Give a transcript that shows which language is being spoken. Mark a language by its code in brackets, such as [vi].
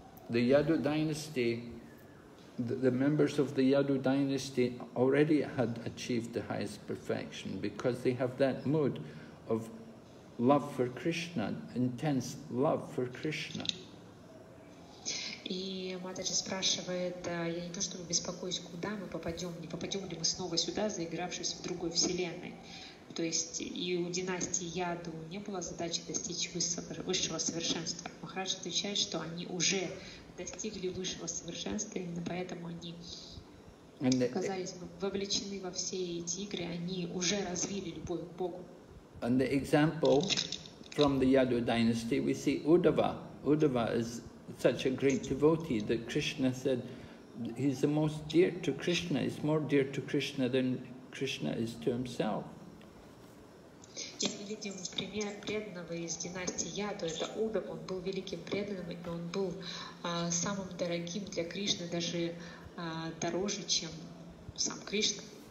[en] The Yadu dynasty, the members of the Yadu dynasty already had achieved the highest perfection because they have that mood of love for Krishna, intense love for Krishna. [ru] И Матаджи спрашивает, я не то чтобы беспокоюсь, куда мы попадем, не попадем ли мы снова сюда, заигравшись в другой вселенной. То есть и у династии Яду не было задачи достичь высшего совершенства. Махарадж отвечает, что они уже достигли высшего совершенства, именно поэтому они оказались вовлечены во все эти игры, они уже развили любовь к Богу. [en] And the example from the Yadu dynasty, we see Uddhava. Uddhava is such a great devotee that Krishna said he's the most dear to Krishna, he's more dear to Krishna than Krishna is to himself. [ru] Мы видим пример преданного из династии Яду, это Удава, он был великим преданным, и он был самым дорогим для Кришны, даже дороже, чем сам Кришна.